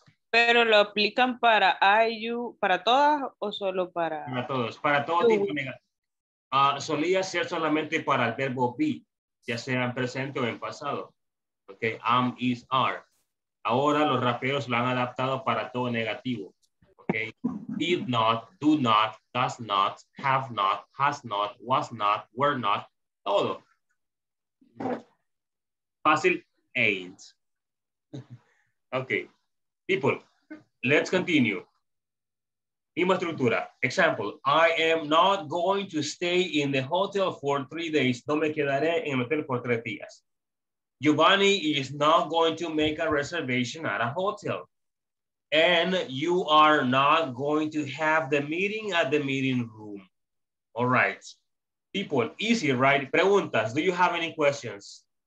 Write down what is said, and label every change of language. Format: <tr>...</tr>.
<es>Pero lo aplican para IU, para todas o solo para. Para todos, para todo tipo de negativo. Solía ser solamente para el verbo be, ya sea en presente o en pasado. Ok, am, is, are. Ahora los raperos lo han adaptado para todo negativo.</es> <en>Ok, did not, do not, does not, have not, has not, was not, were not, todo. Fácil, ain't. Ok, people, let's continue.</en> <es>Misma estructura.</es> <en>Example, I am not going to stay in the hotel for 3 days.</en> <es>No me quedaré en el hotel por 3 días.</es> <en>Giovanni is not going to make a reservation at a hotel. And you are not going to have the meeting at the meeting room. All right. People, easy, right? Preguntas. Do you have any questions?</en>